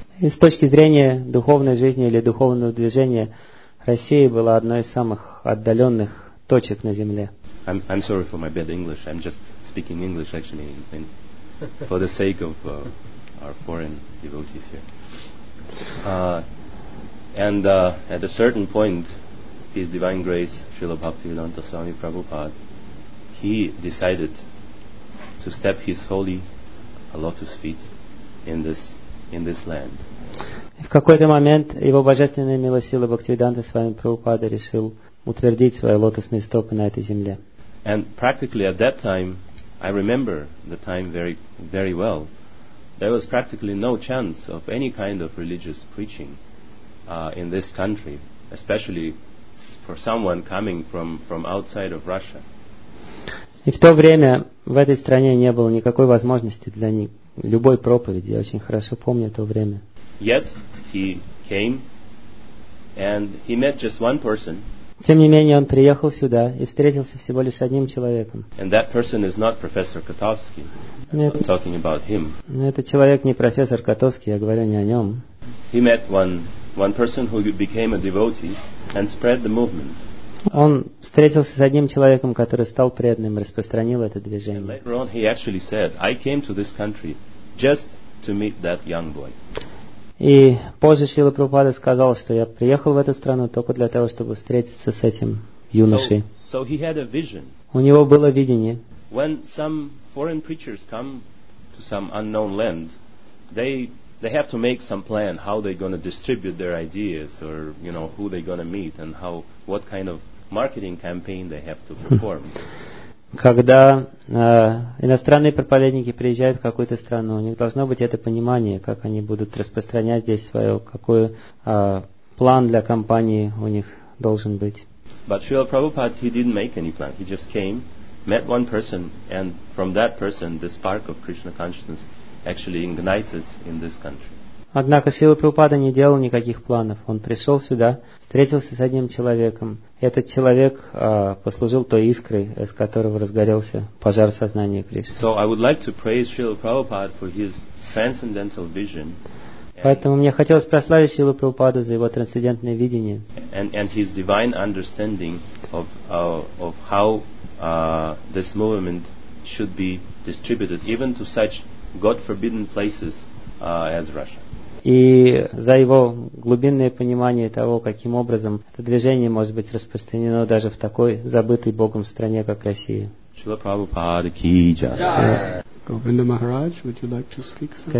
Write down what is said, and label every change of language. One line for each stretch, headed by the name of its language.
Russian: И с точки зрения духовной жизни или духовного движения, Россия была одной из самых отдаленных точек на земле.
English: I'm sorry for my bad English. I'm just speaking English, actually, for the sake of our foreign devotees here. And at a certain point, His Divine Grace, Srila Bhaktivedanta Swami Prabhupada, he decided to step his holy lotus feet in this land.
Russian: В какой-то момент его божественная милость Сила Бхактивиданта с вами Прабхупада решил утвердить свои лотосные стопы на этой земле.
English: And practically at that time I remember the time very, very well. There was practically no chance of any kind of religious preaching in this country, especially for someone coming from outside of Russia.
Russian: И в то время в этой стране не было никакой возможности для любой проповеди. Я очень хорошо помню то время.
English: Yet he came and he met just one person.
Russian: Тем не менее, он приехал сюда и встретился всего лишь одним человеком.
English: And that person is not Professor Katovsky. I'm talking about him.
Russian: Этот человек не профессор Котовский, я говорю не о нем.
English: He met one person who became a devotee and spread the movement.
Russian: Он встретился с одним человеком, который стал преданным, распространил это движение.
English: And later on he actually said, I came to this country just to meet that young boy.
Russian: И позже Шрила Прабхупада сказал, что я приехал в эту страну только для того, чтобы встретиться с этим юношей.
English: So he had a vision.
Russian: У него было видение.
English: When some foreign preachers come to some unknown land, they have to make some plan how they're going to distribute their ideas, or you know, who they're going to meet, and how what kind of marketing campaign they have to perform.
Russian: Когда иностранные проповедники приезжают в какую-то страну, у них должно быть это понимание, как они будут распространять здесь свое, какой план для компании у них должен быть.
English: But Srila Prabhupada, he didn't make any plan. He just came, met one person, and from that person, the spark of Krishna consciousness actually ignited in this country.
Russian: Однако Шрила Прабхупада не делал никаких планов. Он пришел сюда, встретился с одним человеком. Этот человек послужил той искрой, из которого разгорелся пожар сознания Кришны.
English: So I would like to praise Srila Prabhupada for his transcendental vision.
Russian: Поэтому мне хотелось прославить Шрилу Прабхупаду за его трансцендентное видение.
English: And his divine understanding of how this movement should be distributed, even to such God-forbidden places as Russia.
Russian: И за его глубинное понимание того, каким образом это движение может быть распространено даже в такой забытой Богом стране, как Россия.
Hindi: Шрила Прабхупада ки джай.
English: Yeah. Govinda Maharaj, would you like to speak, sir?